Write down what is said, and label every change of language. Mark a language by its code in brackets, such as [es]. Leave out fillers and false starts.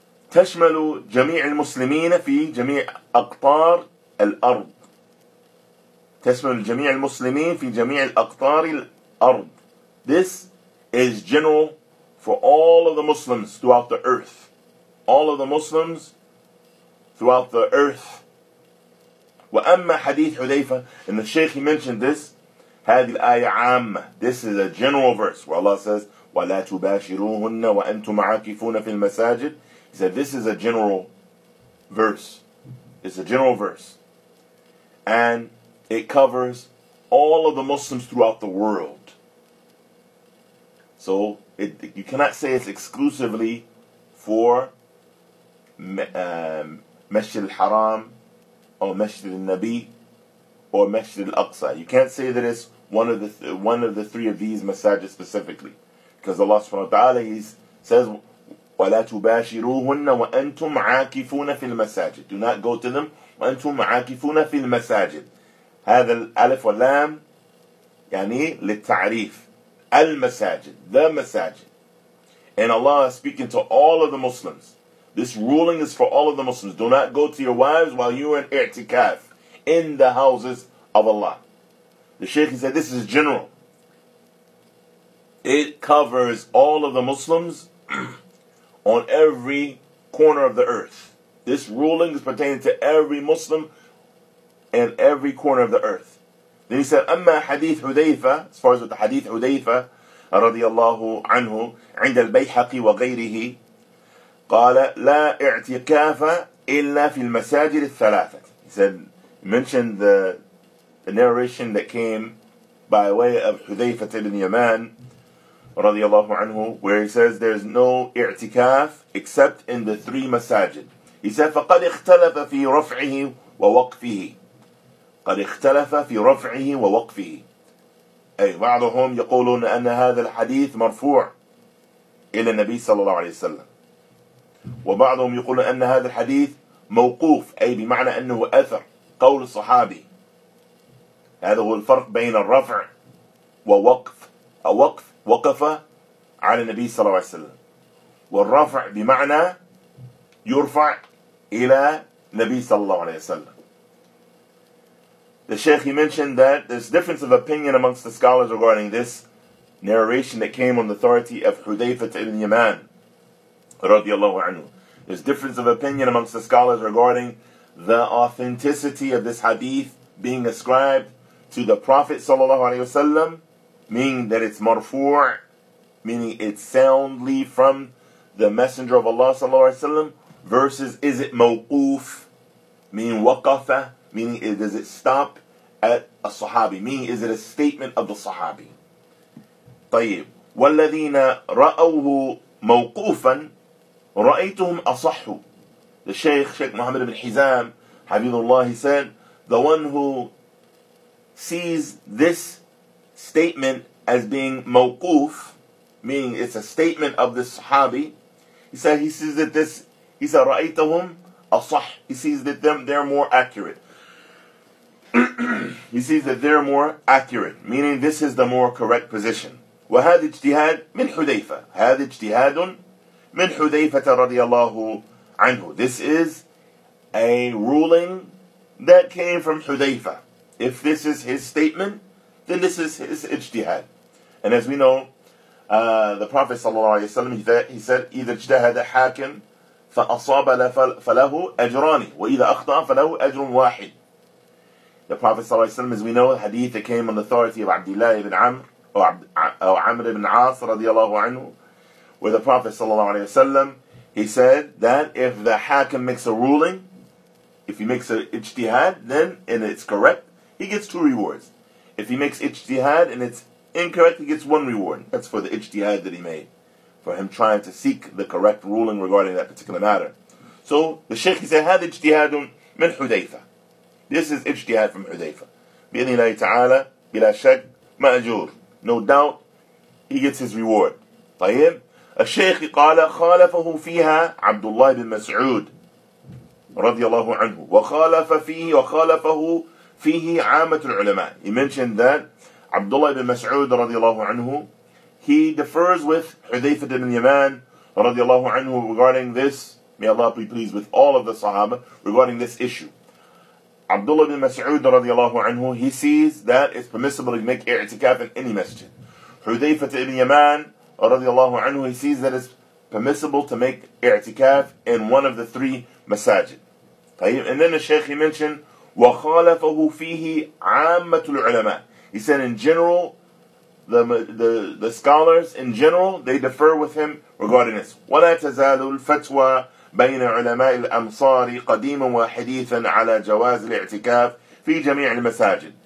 [ar] تشمل جميع المسلمين في جميع أقطار الأرض. تشمل جميع المسلمين في جميع أقطار الأرض. [en] This is general for all of the Muslims throughout the earth. All of the Muslims throughout the earth. [ar] وَأَمَّا حَدِيثُ حُذَيْفَةَ, [en] and the Shaykh, he mentioned this, [ar] هَذِي الْآيَةِ عَامَّةِ, [en] this is a general verse where Allah says, [ar] وَلَا تُبَاشِرُوهُنَّ وَأَنْتُمْ عَاكِفُونَ فِي الْمَسَاجِدِ. [en] He said, this is a general verse. It's a general verse. And it covers all of the Muslims throughout the world. So, you cannot say it's exclusively for Masjid al-Haram, or Masjid al-Nabi, or Masjid al-Aqsa. You can't say that it's one of the three of these masajid specifically. Because Allah subhanahu wa ta'ala, He says, [ar] وَلَا تُبَاشِرُوهُنَّ وَأَنْتُمْ عَاكِفُونَ فِي الْمَسَاجِدِ. [en] Do not go to them, [ar] وَأَنْتُمْ عَاكِفُونَ فِي الْمَسَاجِدِ. هذا الألف واللام يعني للتعريف. [en] المساجد, the masajid. And Allah is speaking to all of the Muslims. This ruling is for all of the Muslims. Do not go to your wives while you are in i'tikaf in the houses of Allah. The Shaykh, he said, this is general. It covers all of the Muslims on every corner of the earth. This ruling is pertaining to every Muslim and every corner of the earth. Then he said, [ar] أما حديث حذيفة, [en] as far as with the hadith [ar] حذيفة رضي الله عنه عند البيحقي وغيره, قال لا اعتكاف إلا في المساجد الثلاثة. [en] He said, mentioned the narration that came by way of حذيفة بن يمان رضي الله عنه, where he says there is no اعتكاف except in the three masajid. He said, [ar] فقد اختلف في رفعه ووقفه. قد اختلف في رفعه ووقفه. أي بعضهم يقولون أن هذا الحديث مرفوع إلى النبي صلى الله عليه وسلم, وبعضهم يقول أن هذا الحديث موقوف, أي بمعنى أنه أثر قول الصحابي. هذا هو الفرق بين الرفع ووقف, أو وقف وقف على النبي صلى الله عليه وسلم, والرفع بمعنى يرفع إلى النبي صلى الله عليه وسلم. [en] The Shaykh, he mentioned that there's difference of opinion amongst the scholars regarding this narration that came on the authority of Hudhayfah ibn Yaman radiallahu anhu. There's difference of opinion amongst the scholars regarding the authenticity of this hadith being ascribed to the Prophet sallallahu alayhi wasallam, meaning that it's marfu', meaning it's soundly from the Messenger of Allah sallallahu alayhi wasallam, versus is it mawquf, meaning waqafa, meaning does it stop at a sahabi, meaning is it a statement of the sahabi. [ar] طيب والذين رأوه موقوفا رأيتهم أصحوا. [en] The Shaykh Muhammad ibn Hizam Habibullah, he said, the one who sees this statement as being mawquf, meaning it's a statement of the Sahabi, he said [ar] رأيتهم أصح, [en] he sees that they're more accurate. He sees that they're more accurate, meaning this is the more correct position. [ar] وهذا اجتهاد من حذيفة. هذا اجتهاد من حذيفة رضي الله عنه. [en] This is a ruling that came from حذيفة. If this is his statement, then this is his اجتهاد. And as we know, the Prophet [ar] صلى الله عليه وسلم, [en] he said, [ar] إذا اجتهد حاكم فأصاب فله أجران وإذا أخطأ فله أجر واحد. [en] The Prophet ﷺ, as we know, hadith that came on the authority of Abdullah ibn Amr, or Amr ibn As, radiallahu anhu, where the Prophet ﷺ, he said that if the hakim makes a ruling, if he makes an ijtihad, then, and it's correct, he gets two rewards. If he makes ijtihad and it's incorrect, he gets one reward. That's for the ijtihad that he made, for him trying to seek the correct ruling regarding that particular matter. So, the Shaykh, he said, [ar] هذا اجتهاد من حذيفة. [en] This is ijtihad from Hudayfa. [ar] بإذن الله تعالى بلا شك مأجور. [en] No doubt, he gets his reward. [ar] طيب. الشيخ قال خالفه فيها عبد الله بن مسعود رضي الله عنه وخالف فيه وخالفه فيه عامة العلماء. [en] He mentioned that عبد الله بن مسعود رضي الله عنه, he differs with حذيفة بن اليمان رضي الله عنه regarding this. May Allah be pleased with all of the Sahaba regarding this issue. Abdullah bin Mas'ud radiallahu anhu, he sees that it's permissible to make i'tikaf in any masjid. Hudhayfah ibn Yaman radiallahu anhu, he sees that it's permissible to make i'tikaf in one of the three masajid. And then the Shaykh, he mentioned, [ar] وَخَالَفَهُ فِيهِ عَامَّةُ الْعُلَمَاءِ. [en] He said in general, the scholars in general, they differ with him regarding this. [ar] وَلَا تَزَالُ الْفَتْوَى بين علماء الأمصار قديما وحديثا على جواز الاعتكاف في جميع المساجد.